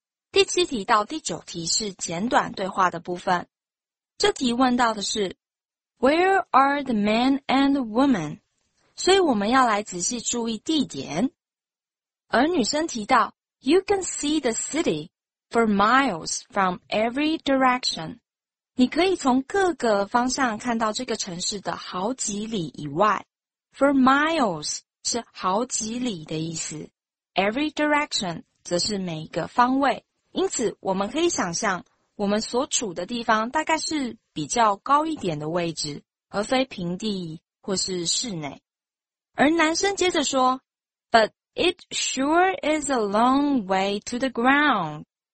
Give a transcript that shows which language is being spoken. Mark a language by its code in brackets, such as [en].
[zh] 第七题到第九题是简短对话的部分。这题问到的是 [en] Where are the man and the woman? [zh] 所以我们要来仔细注意地点。而女生提到 [en] You can see the city for miles from every direction. [zh] 你可以从各个方向看到这个城市的好几里以外。 For miles 是好几里的意思。 Every direction 则是每一个方位。因此我们可以想象我们所处的地方大概是比较高一点的位置而非平地或是室内。而男生接着说 [en] But it sure is a long way to the ground.